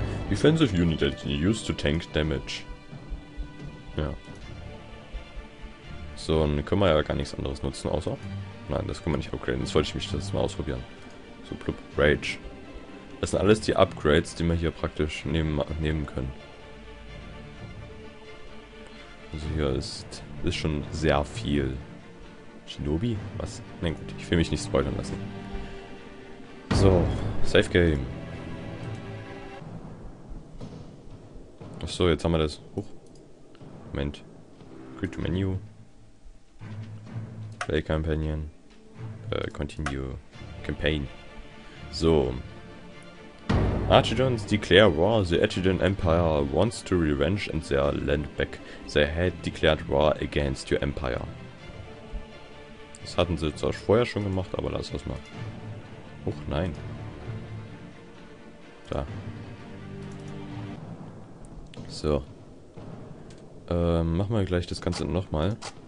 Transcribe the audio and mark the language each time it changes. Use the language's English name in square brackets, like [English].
[English] Defensive unit that you use to tank damage. [German] Ja. So, dann können wir ja gar nichts anderes nutzen, außer. Nein, das können wir nicht upgraden. Jetzt wollte ich mich das mal ausprobieren. So, plupp, Rage. Das sind alles die Upgrades, die wir hier praktisch nehmen können. Also hier ist schon sehr viel. Shinobi? Was? Nein, gut, ich will mich nicht spoilern lassen. So, Safe Game. Achso, jetzt haben wir das. Huch. Moment. Quit Menu. [English] Play Companion. Continue. Campaign. So. Archidons declare war, the Archidon Empire wants to revenge and their land back. They had declared war against your empire. [German] Das hatten sie zwar vorher schon gemacht, aber lass das mal. Huch, nein. Da. So. Machen wir gleich das Ganze nochmal.